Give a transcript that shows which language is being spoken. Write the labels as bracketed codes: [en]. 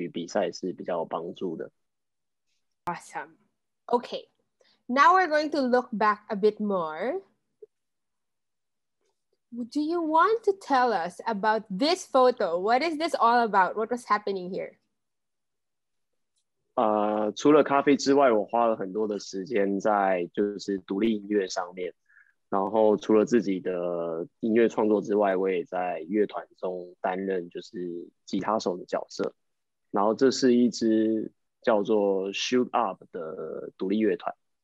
[zh] 我觉得首先你得有一个自己的竞赛的团队，并且有一定的资源，然后有一个非常坚强的心态，会对于比赛是比较有帮助的。 [en] Awesome. Okay. Now we're going to look back a bit more. Do you want to tell us about this photo? What is this all about? What was happening here? [zh] 除了咖啡之外，我花了很多的时间在就是独立音乐上面。然后除了自己的音乐创作之外，我也在乐团中担任就是吉他手的角色。然后这是一支叫做 Shoot Up 的独立乐团。